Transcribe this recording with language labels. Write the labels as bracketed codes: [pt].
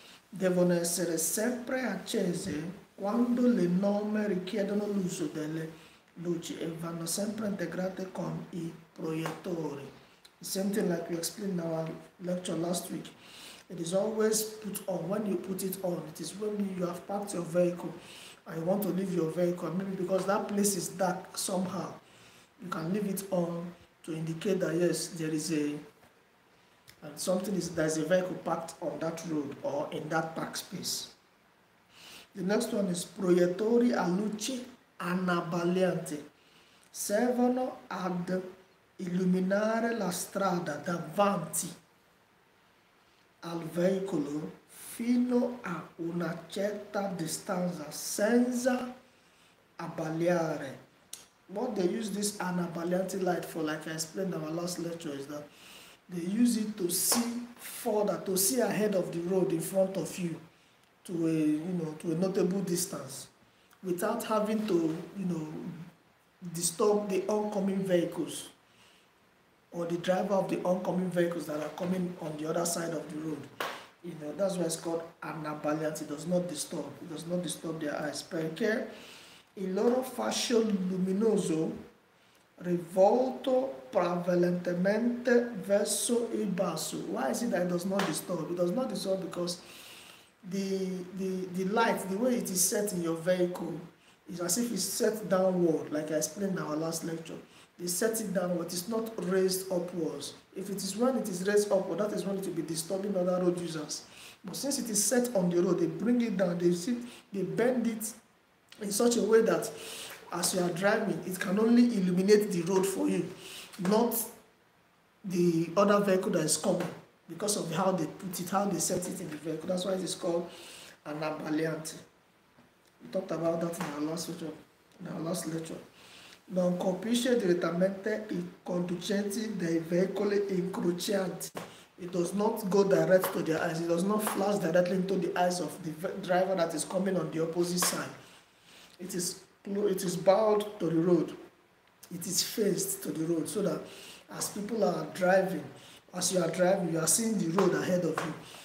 [it] Devono essere sempre accese quando le norme richiedono l'uso delle luci e vanno sempre integrate con I proiettori. [en] Same thing like we explained in our lecture last week. It is always put on. When you put it on, it is when you have parked your vehicle and you want to leave your vehicle, maybe because that place is dark somehow, you can leave it on to indicate that yes, there is there's a vehicle parked on that road or in that park space. The next one is [it] proiettori a luci anabolianti. Servono ad illuminare la strada davanti al veicolo fino a una certa distanza senza abbagliare. [en] What they use this anabolianti light for, like I explained in our last lecture, is that they use it to see further, to see ahead of the road in front of you to a, you know, to a notable distance without having to, you know, disturb the oncoming vehicles or the driver of the oncoming vehicles that are coming on the other side of the road. You know, that's why it's called anabolianti. It does not disturb. It does not disturb their eyes. [it] Perché il loro fascio luminoso rivolto prevalentemente verso il basso. [en] Why is it that it does not disturb? It does not disturb because the light, the way it is set in your vehicle, is as if it's set downward, like I explained in our last lecture. They set it downward, it is not raised upwards. If it is when it is raised upward, that is when it will be disturbing other road users. But since it is set on the road, they bring it down, they bend it in such a way that as you are driving, it can only illuminate the road for you, not the other vehicle that is coming, because of how they put it, how they set it in the vehicle. That's why it is called an abbagliante. We talked about that in our last lecture. [it] Non colpisce direttamente I conducenti dei veicoli incrocianti. [en] It does not go direct to their eyes. It does not flash directly into the eyes of the driver that is coming on the opposite side. It is bowed to the road. It is faced to the road so that as people are driving, as you are driving, you are seeing the road ahead of you.